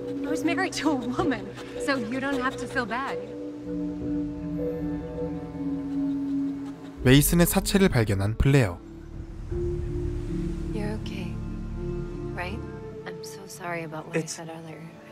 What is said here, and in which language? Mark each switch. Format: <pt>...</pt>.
<en>I was married to a woman, so you don't have to feel bad.</en> <ko>메이슨의 사체를 발견한 블레어.</ko> <en>You're okay, right? I'm so sorry about what I said earlier.</en>